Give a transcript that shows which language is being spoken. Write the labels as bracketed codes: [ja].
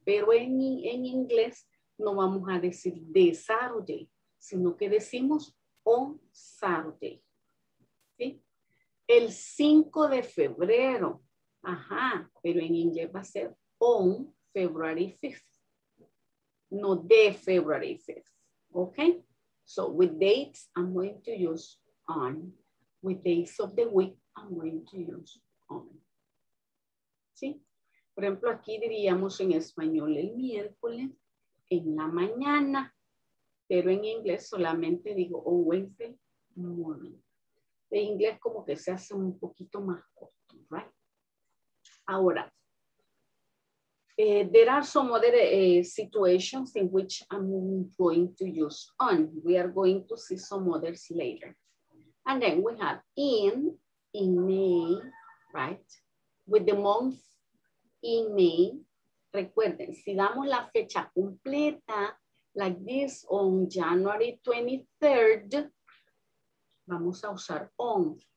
[es] Pero en inglés no vamos a decir de Saturday, sino que decimos on Saturday. ¿Sí? El 5 de febrero. Ajá. Pero en inglés va a ser on February 5th. No de February 5th. ¿Ok? [en] So with dates, I'm going to use on. With days of the week, I'm going to use on. [es] ¿Sí? Por ejemplo, aquí diríamos en español el miércoles en la mañana, pero en inglés solamente digo on Wednesday morning. En inglés como que se hace un poquito más corto, right? [en] Ahora, there are some other situations in which I'm going to use on. We are going to see some others later. And then we have in May, right? With the month in May, recuerden, si damos la fecha completa, like this, on January 23rd, vamos a usar on.